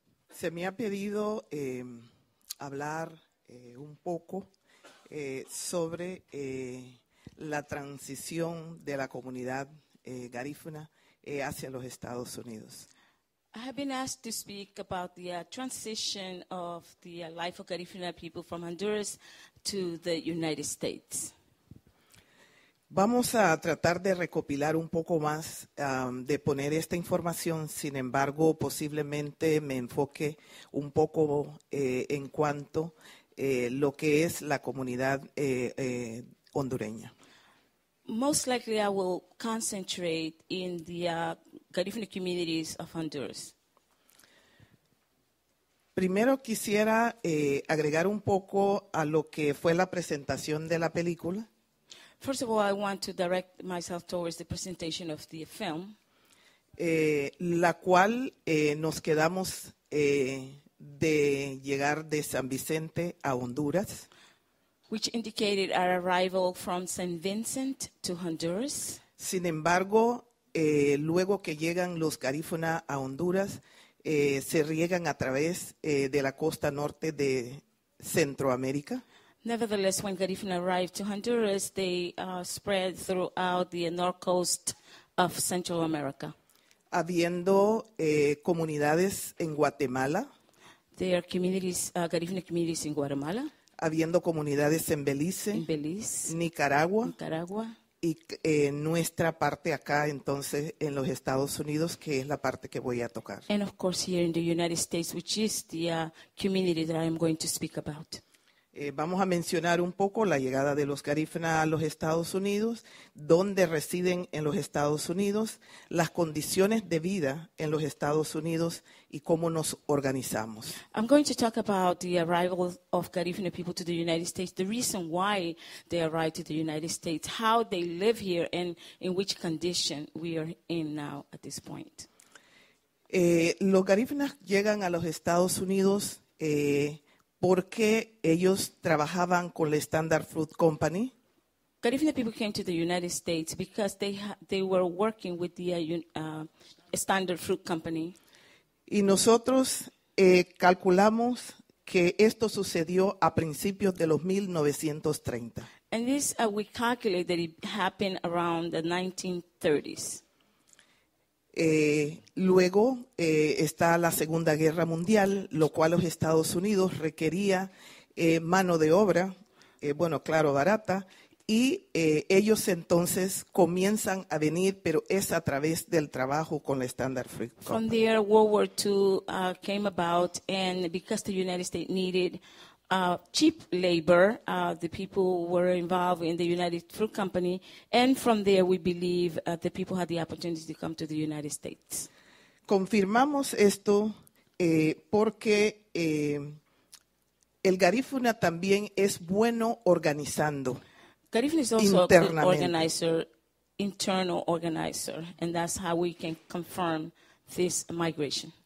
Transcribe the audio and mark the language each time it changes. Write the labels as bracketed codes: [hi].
[es] Se me ha pedido hablar un poco sobre la transición de la comunidad garífuna hacia los Estados Unidos. [en] I have been asked to speak about the transition of the life of garífuna people from Honduras to the United States. [es] Vamos a tratar de recopilar un poco más, de poner esta información. Sin embargo, posiblemente me enfoque un poco en cuanto lo que es la comunidad hondureña. [en] Most likely I will concentrate in the garífuna communities of Honduras. [es] Primero quisiera agregar un poco a lo que fue la presentación de la película. [en] First of all, I want to direct myself towards the presentation of the film. [es] La cual nos quedamos de llegar de San Vicente a Honduras. [en] Which indicated our arrival from St. Vincent to Honduras. [es] Sin embargo, luego que llegan los garífuna a Honduras, se riegan a través de la costa norte de Centroamérica. [en] Nevertheless, when garífuna arrived to Honduras, they spread throughout the north coast of Central America. [es] Habiendo comunidades en Guatemala. [en] their communities, Garifuna communities in Guatemala. [es] Habiendo comunidades en Belice, Nicaragua, y nuestra parte acá entonces en los Estados Unidos, que es la parte que voy a tocar. [en] And of course here in the United States, which is the community that I'm going to speak about. [es] Vamos a mencionar un poco la llegada de los Garifuna a los Estados Unidos, dónde residen en los Estados Unidos, las condiciones de vida en los Estados Unidos y cómo nos organizamos. [en] I'm going to talk about the arrival of Garifuna people to the United States, the reason why they arrived to the United States, how they live here and in which condition we are in now at this point. [es] Los Garifuna llegan a los Estados Unidos porque ellos trabajaban con la Standard Fruit Company. [en] Garifuna people came to the United States because they were working with the Standard Fruit Company. [es] Y nosotros calculamos que esto sucedió a principios de los 1930. [en] And this we calculate that it happened around the 1930s. [es] Luego está la Segunda Guerra Mundial, lo cual los Estados Unidos requería mano de obra, bueno, claro, barata, y ellos entonces comienzan a venir, pero es a través del trabajo con la Standard Fruit Company. [en] From there, World War II came about, and because the United States needed cheap labor, the people were involved in the United Fruit Company, and from there we believe the people had the opportunity to come to the United States. [es] Confirmamos esto porque el Garifuna también es bueno organizando. [en] Garifuna is also a good organizer, internal organizer, and that's how we can confirm this migration.